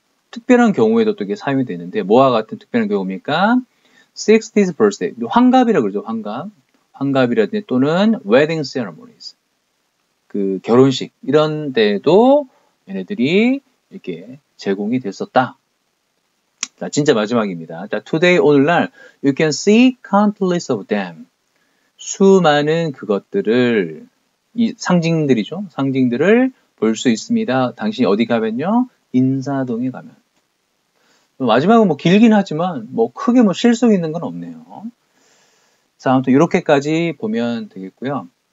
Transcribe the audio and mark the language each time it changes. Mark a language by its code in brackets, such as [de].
[ko] 특별한 경우에도 또 이게 사용이 되는데, 뭐와 같은 특별한 경우입니까? [en] 60th birthday. [ko] 환갑이라고 그러죠, 환갑. 환갑이라든지 또는 wedding ceremonies. 그 결혼식. 이런 데에도 얘네들이 이렇게 제공이 됐었다. 자, 진짜 마지막입니다. [en] 자, today, [ko] 오늘날, [en] you can see countless of them. [ko] 수많은 그것들을, 이 상징들이죠. 상징들을 볼수 있습니다. 당신이 어디 가면요? 인사동에 가면. 마지막은 뭐 길긴 하지만 뭐 크게 뭐 실속 있는 건 없네요. 자, 아무튼 이렇게까지 보면 되겠고요.